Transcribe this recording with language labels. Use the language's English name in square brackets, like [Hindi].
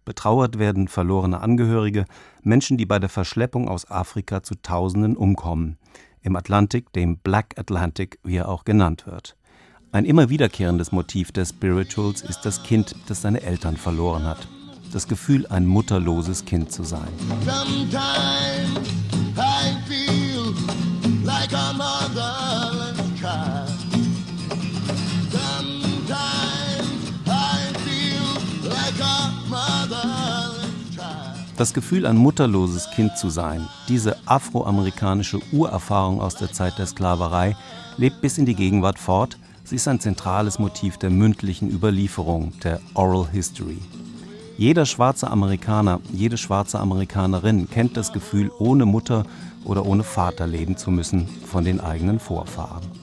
[German] Betrauert werden verlorene Angehörige, Menschen, die bei der Verschleppung aus Afrika zu Tausenden umkommen. Im Atlantik, dem Black Atlantic, wie er auch genannt wird. Ein immer wiederkehrendes Motiv der Spirituals ist das Kind, das seine Eltern verloren hat. Das Gefühl, ein mutterloses Kind zu sein. [English] Sometimes I feel like a motherless child. Sometimes I feel like a motherless child. [German] Das Gefühl, ein mutterloses Kind zu sein, diese afroamerikanische Urerfahrung aus der Zeit der Sklaverei, lebt bis in die Gegenwart fort. Sie ist ein zentrales Motiv der mündlichen Überlieferung, der Oral History. Jeder schwarze Amerikaner, jede schwarze Amerikanerin kennt das Gefühl, ohne Mutter oder ohne Vater leben zu müssen, von den eigenen Vorfahren.